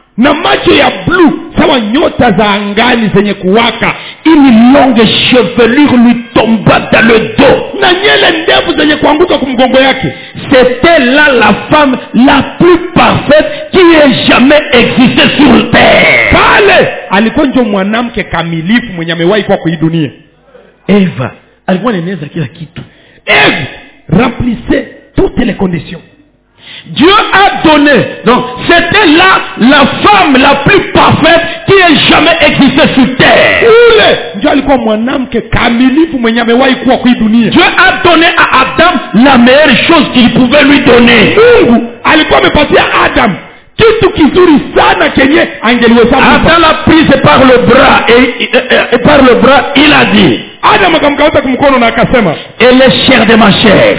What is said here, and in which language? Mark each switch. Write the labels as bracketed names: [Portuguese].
[French] Une longue chevelure lui tomba dans le dos. C'était là la femme la plus parfaite qui ait jamais existé sur terre. [Swahili] Pale, alikuwa ndio mwanamke kamilifu mwenye amewahi kwa hii dunia. Eva, alikuwa anaeneza kila kitu. [French] Eve remplissait toutes les conditions. Dieu a donné. Donc, c'était là la femme la plus parfaite qui ait jamais existé sur terre. [Swahili] Ule, ndio alikuwa mwanamke kamilifu mwenye amewahi kwa hii dunia. [French] Dieu a donné à Adam la meilleure chose qu'il pouvait lui donner. [Swahili] Mungu alikuwa amepatia Adam kitu kizuri sana kenye angeliweza. [French] Adam l'a prise par le bras et par le bras il a dit. [Swahili] Adam akamkata kumkono na akasema. [French] Elle est chair de ma chair.